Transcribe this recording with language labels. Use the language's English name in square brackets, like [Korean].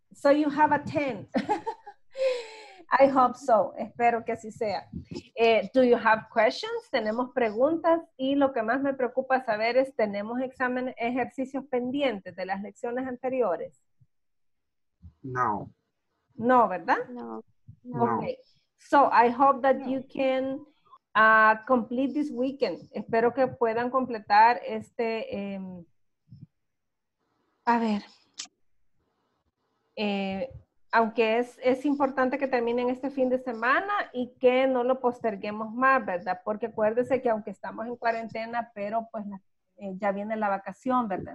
[English] So you have a 10. I hope so. [Spanish] Espero que así sea. [English] Do you have questions? [Spanish] Tenemos preguntas. Y lo que más me preocupa saber es, ¿tenemos ejercicios pendientes de las lecciones anteriores? No. No, ¿verdad? No. [English] Okay. So, I hope that you can complete this weekend. [Spanish] Espero que puedan completar este, aunque es importante que terminen este fin de semana y que no lo posterguemos más, ¿verdad? Porque acuérdense que aunque estamos en cuarentena, pero pues ya viene la vacación, ¿verdad?